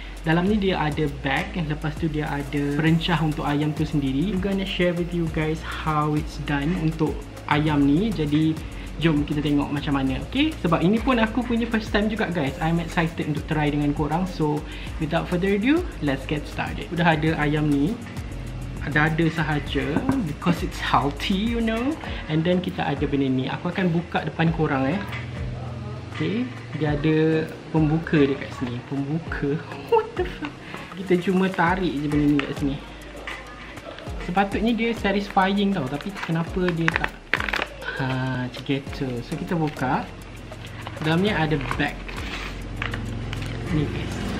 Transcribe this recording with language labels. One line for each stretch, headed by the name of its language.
Malay: Dalam ni dia ada bag, lepas tu dia ada perencah untuk ayam tu sendiri.
English: I'm gonna share with you guys how it's done
Malay: untuk ayam ni. Jadi jom kita tengok macam mana, okay? Sebab ini pun aku punya
English: first time
Malay: juga guys.
English: I'm excited
Malay: untuk try dengan korang.
English: So without further ado, let's get started.
Malay: Udah ada ayam ni, ada sahaja
English: because it's healthy, you know. And then
Malay: kita ada benda ni, aku akan buka depan korang eh. Okay, dia ada pembuka dekat sini. Pembuka?
English: What the fuck?
Malay: Kita cuma tarik je benda ni dekat sini. Sepatutnya dia satisfying tau. Tapi kenapa dia tak? Haa, macam gitu. So kita buka. Dalamnya ada bag. Ni guys.